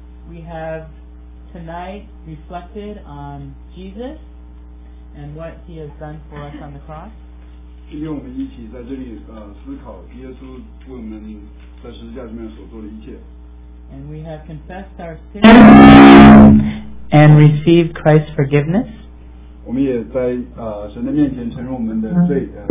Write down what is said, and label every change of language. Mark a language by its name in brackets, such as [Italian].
[English] We have tonight reflected on Jesus and what he has done for us on the cross. [Chinese] 今天我们一起在这里思考耶稣为我们在十字架上面所做的一切。 [English] And we have confessed our sins and receive Christ's forgiveness. [Chinese] 我们也在, 神的面前承认我们的罪,